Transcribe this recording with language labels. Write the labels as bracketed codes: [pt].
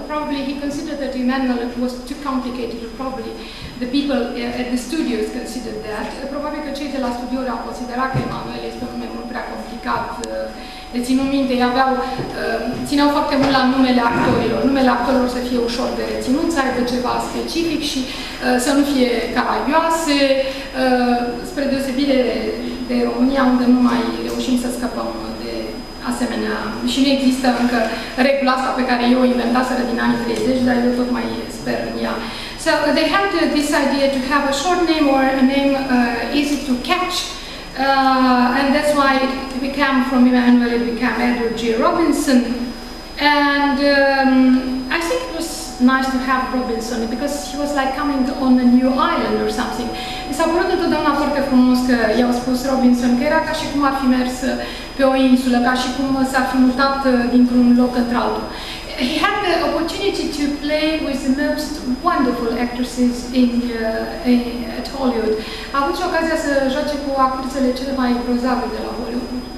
[en] Probably he considered that Emmanuel was too complicated, probably the people at the studios considered that. [ro] Probabil că cei de la studio au considerat că Emmanuel este un nume mult prea complicat. Le țin în minte, aveau, țineau foarte mult la numele actorilor. Numele actorilor să fie ușor de reținut, să aibă ceva specific și să nu fie caragioase, spre deosebire de România, unde nu mai reușim să scăpăm de asemenea. Și nu există încă regula asta pe care eu o inventaseră din anii 30, dar eu tot mai sper în ea. [en] So they had this idea to have a short name or a name easy to catch. And that's why it became from Emmanuel, it became Edward G. Robinson. And I think it was nice to have Robinson because he was like coming on a new island or something. [ro] Mi s-a părut întotdeauna foarte frumos că i-au spus Robinson, că era ca și cum ar fi mers pe o insulă, ca și cum s-ar fi mutat dintr-un loc într-altul. [en] He had the opportunity to play with the most wonderful actresses at Hollywood. [ro] A avut și ocazia să joace cu actrițele cele mai grozave de la Hollywood.